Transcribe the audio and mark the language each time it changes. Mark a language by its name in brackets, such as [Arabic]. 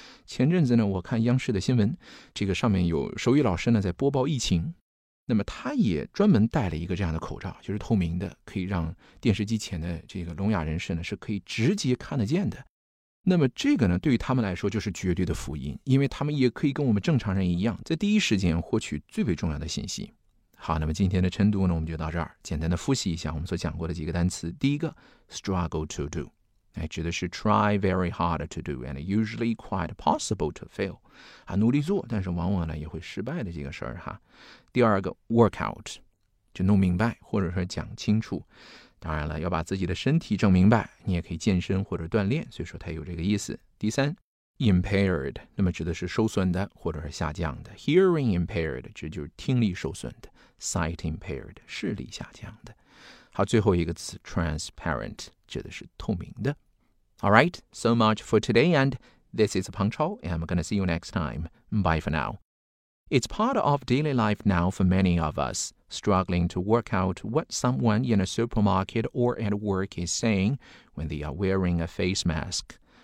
[Chinese] 前阵子呢，我看央视的新闻，这个上面有手语老师呢在播报疫情，那么他也专门戴了一个这样的口罩，就是透明的，可以让电视机前的这个聋哑人士呢是可以直接看得见的。那么这个呢，对于他们来说就是绝对的福音，因为他们也可以跟我们正常人一样，在第一时间获取最为重要的信息。好，那么今天的晨读呢，我们就到这儿，简单的复习一下我们所讲过的几个单词。第一个 struggle to do， 指的是 [English] try very hard to do and usually quite possible to fail， [Chinese] 努力做，但是往往呢也会失败的这个事儿哈。第二个 work out， 就弄明白或者说讲清楚。当然了，要把自己的身体整明白，你也可以健身或者锻炼，所以说它有这个意思。第三 impaired， 那么指的是受损的或者是下降的。 hearing impaired 指就是听力受损的。sight impaired 视力下降的。好，最后一个词 transparent 指的是透明的。 [English] Alright, so much for today, and this is Peng Chao, and I'm gonna see you next time. Bye for now. It's part of daily life now for many of us. Struggling to work out what someone in a supermarket or at work is saying when they are wearing a face mask.